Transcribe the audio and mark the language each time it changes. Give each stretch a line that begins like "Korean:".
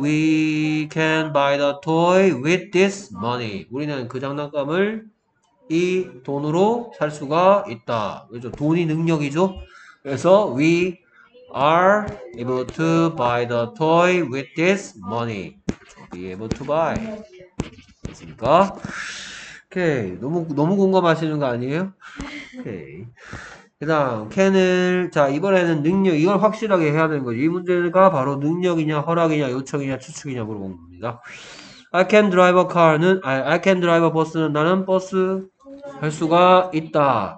English: We can buy the toy with this money.
Korean: 우리는 그 장난감을 이 돈으로 살 수가 있다. 그렇죠? 돈이 능력이죠.
English: 그래서 we are able to buy the toy with this money. be able to buy.
Korean: 됐습니까? 오케이. 너무 공감하시는 거 아니에요? 오케이. 그 다음, can을, 자, 이번에는 능력, 이걸 확실하게 해야 되는 거죠. 이 문제가 바로 능력이냐, 허락이냐, 요청이냐, 추측이냐 물어본 겁니다.
English: I can drive a car는, I can drive a bus는
Korean: 나는 버스 할 수가 있다.